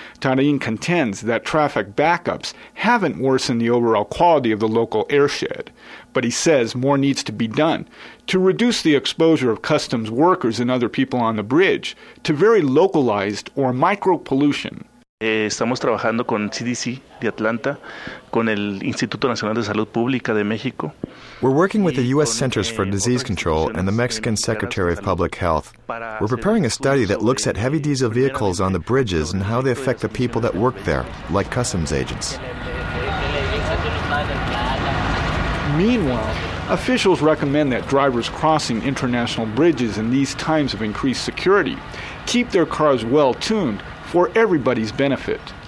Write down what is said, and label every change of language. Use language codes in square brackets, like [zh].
[en] Tarin contends that traffic backups haven't worsened the overall quality of the local airshed, but he says more needs to be done to reduce the exposure of customs workers and other people on the bridge to very localized or micro pollution. [es] Estamos trabajando con CDC de Atlanta, con el Instituto Nacional de Salud Pública de México. [en] We're working with the U.S. Centers for Disease Control and the Mexican Secretary of Public Health. We're preparing a study that looks at heavy diesel vehicles on the bridges and how they affect the people that work there, like customs agents. Meanwhile, officials recommend that drivers crossing international bridges in these times of increased security keep their cars well-tuned for everybody's benefit.